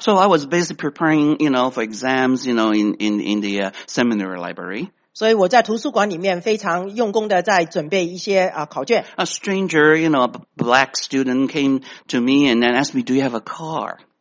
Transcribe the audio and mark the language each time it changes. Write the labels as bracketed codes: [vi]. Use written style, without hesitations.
[en] So I was busy preparing, you know, for exams, you know, in the seminary library. [zh] 所以我在图书馆里面非常用功的在准备一些考卷。 [en] A stranger, you know, a black student came to me and then asked me, "Do you have a car?"